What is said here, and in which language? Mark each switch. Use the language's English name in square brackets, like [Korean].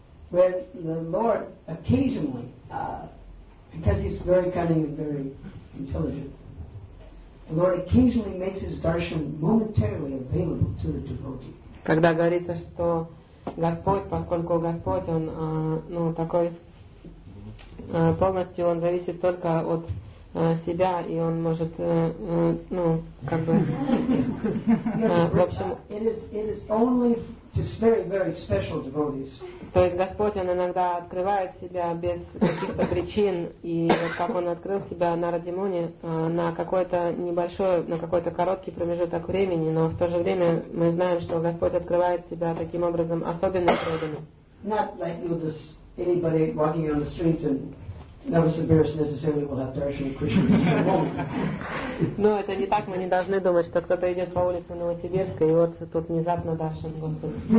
[English] When the Lord occasionally, because he's very cunning and very intelligent, the Lord occasionally makes his darshan momentarily available to the devotee. [Russian] Когда говорится, что Господь, поскольку Господь, он ну, такой полностью он зависит только от себя, и он может ну, как бы в общем. [English] It is only to very, very special devotees. [Russian] То есть Господь он иногда открывает себя без каких-то причин, и вот как он открыл себя на Нараде Муне на какой-то небольшой, на какой-то короткий промежуток времени, но в то же время мы знаем, что Господь открывает себя таким образом особенно преданным. [English] Not like you just anybody walking on the street and Novosibirsk necessarily will have darshan of Krishna. [Russian] Но это не так, мы не должны думать, что кто-то идет по улице Новосибирска и вот тут внезапно даршан Господь.